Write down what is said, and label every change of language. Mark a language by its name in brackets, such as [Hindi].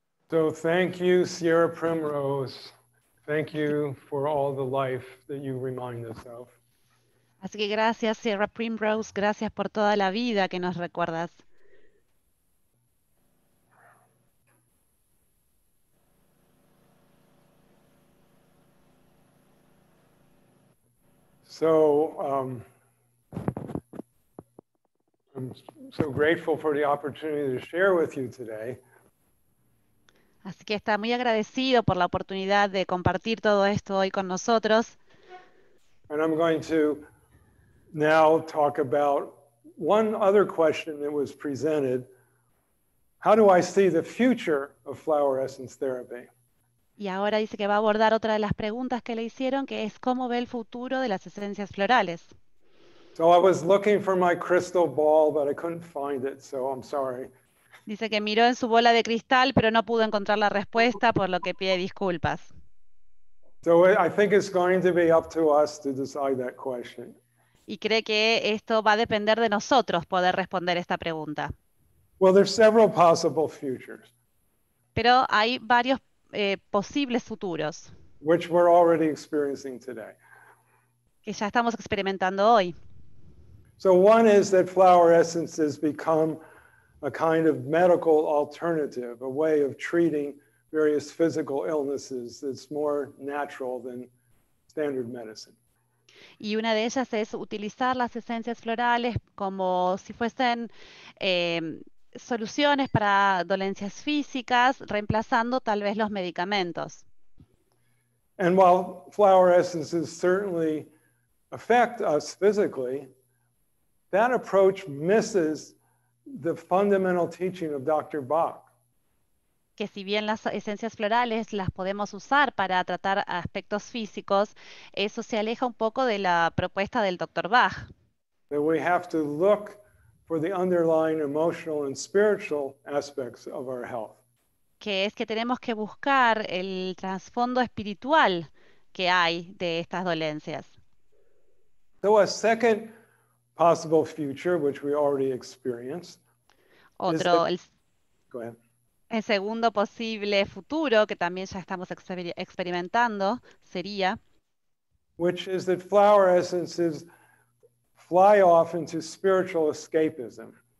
[English] So thank you, Sierra Primrose. Thank you for all the life that you remind us of. [Spanish] Así que gracias, Sierra Primrose. Gracias por toda la vida que nos recuerdas. [English] I'm so grateful for the opportunity to share with you today. [Spanish] Así que está muy agradecido por la oportunidad de compartir todo esto hoy con nosotros. [English] And I'm going to now talk about one other question that was presented. How do I see the future of flower essence therapy? [Spanish] Y ahora dice que va a abordar otra de las preguntas que le hicieron, que es cómo ve el futuro de las esencias florales. [English] So I was looking for my crystal ball, but I couldn't find it, so I'm sorry. [Spanish] Dice que miró en su bola de cristal, pero no pudo encontrar la respuesta, por lo que pide disculpas. [English] So I think it's going to be up to us to decide that question. [Spanish] Y cree que esto va a depender de nosotros poder responder esta pregunta. [English] Well, there's several possible futures. [Spanish] Pero hay varios posibles futuros. [English] Which we're already experiencing today. [Spanish] Que ya estamos experimentando hoy. [English] So one is that flower essences become a kind of medical alternative, a way of treating various physical illnesses that's more natural than standard medicine. [Spanish] Y una de ellas es utilizar las esencias florales como si fuesen soluciones para dolencias físicas, reemplazando tal vez los medicamentos. [English] And while flower essences certainly affect us physically, that approach misses the fundamental teaching of Dr. Bach. [Spanish] Que si bien las esencias florales las podemos usar para tratar aspectos físicos, eso se aleja un poco de la propuesta del Dr. Bach. [English] That we have to look for the underlying emotional and spiritual aspects of our health. [Spanish] Que es que tenemos que buscar el trasfondo espiritual que hay de estas dolencias. [English] So a second possible future, which we already experienced. [Spanish] Otro, [English] go ahead. [Spanish] El segundo posible futuro que también ya estamos experimentando sería, [English] which is that flower essences fly off into spiritual escapism.